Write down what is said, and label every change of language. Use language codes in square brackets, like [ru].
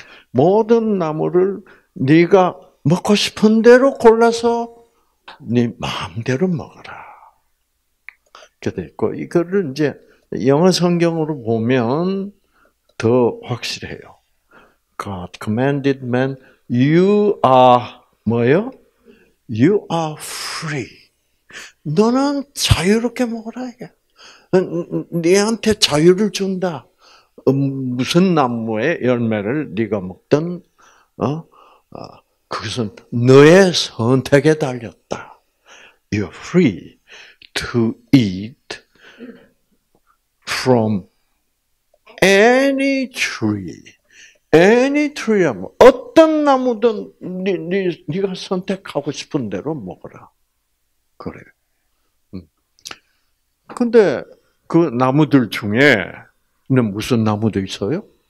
[ko] 모든 나무를 네가 먹고 싶은 대로 골라서 네 마음대로 먹어라. 이렇게 돼 있고, 이거를 이제 영어 성경으로 보면 더 확실해요. [en] God commanded man, you are, [ko] 뭐요? [en] You are free. [ko] 너는 자유롭게 먹어라. 네한테 자유를 준다. 무슨 나무의 열매를 네가 먹든, 그것은 너의 선택에 달렸다. [en] You are free to eat from any tree. Any tree, [ko] 어떤 나무든 네가 선택하고 싶은 대로 먹어라. 그래. 근데 그 나무들 중에는 무슨 나무도 있어요?